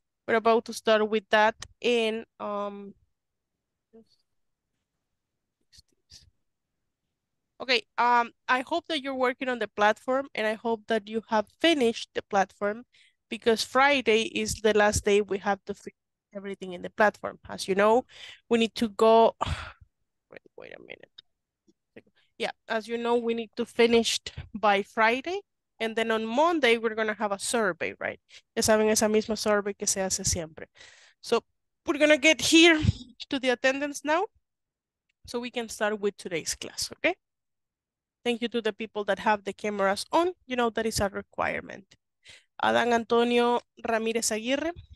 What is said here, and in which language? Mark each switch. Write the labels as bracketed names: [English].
[English] We're about to start with that in okay, I hope that you're working on the platform and I hope that you have finished the platform, because Friday is the last day we have to finish everything in the platform. As you know, we need to go, wait a minute. Yeah, as you know, we need to finish by Friday. And then on Monday, we're going to have a survey, right? [Spanish] Ya saben, esa misma survey que se hace siempre. [English] So we're going to get here to the attendance now so we can start with today's class, okay? Thank you to the people that have the cameras on. You know, that is a requirement. Adán Antonio Ramírez Aguirre.